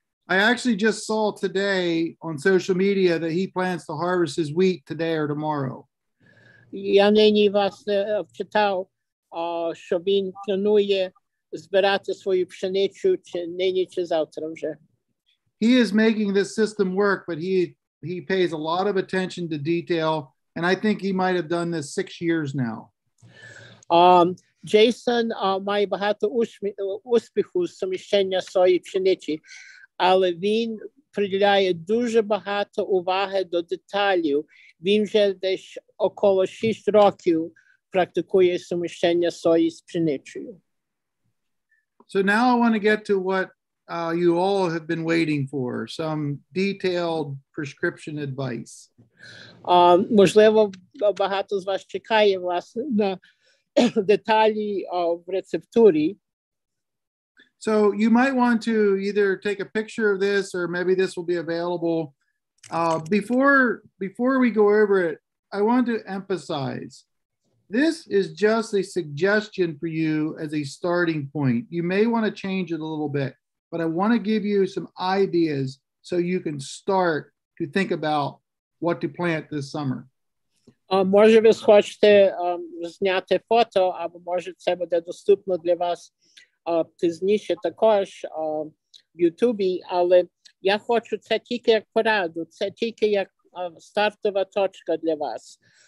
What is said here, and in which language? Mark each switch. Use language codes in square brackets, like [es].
[en] I actually just saw today on social media that he plans to harvest his wheat today or tomorrow. [uk] Я нині власне читав, що він планує збирати свою пшеницю чи нині, чи завтра вже. [en] He is making this system work, but he pays a lot of attention to detail, and I think he might have done this 6 years now. [uk] Джейсон має багато успіху з суміщення своєї пшениці, але він приділяє дуже багато уваги до деталів. Він вже десь около 6 років практикує суміщення своєї з пшеницею. [en] So now I want to get to what you all have been waiting for, some detailed prescription advice. [uk] Можливо, багато з вас чекає власне на деталі в рецептурі. [en] So you might want to either take a picture of this, or maybe this will be available. Before we go over it, I want to emphasize This is just a suggestion for you as a starting point. You may want to change it a little bit, but I want to give you some ideas so you can start to think about what to plant this summer. [uk] Може ви схочете зняти фото, або може це буде доступно для вас пізніше також в YouTube, але я хочу це тільки як пораду, це тільки як стартова точка для вас.